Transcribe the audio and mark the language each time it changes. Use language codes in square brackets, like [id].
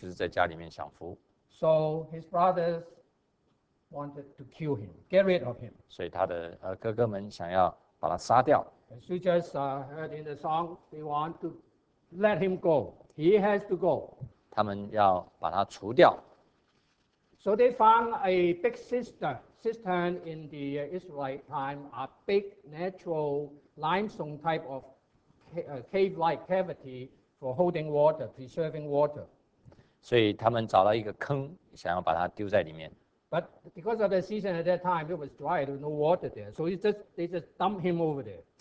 [zh] 他们说，我们在这边辛苦的牧羊，做苦工，结果你就是在家里面享福。So [en] his brothers wanted to kill him, get rid of him. [zh] 所以他的哥哥们想要把他杀掉。As [en] you just heard in the song, they want to let him go. He has to go. [zh] 他们要把他除掉。So [en] they found a big cistern in the Israelite time, a big natural limestone type of cave-like cavity for holding water, preserving water. [zh] 所以他们找到一个坑，想要把他丢在里面。 [en] But because of the season at that time, it was dry, there was no water there. So they just dumped him over there.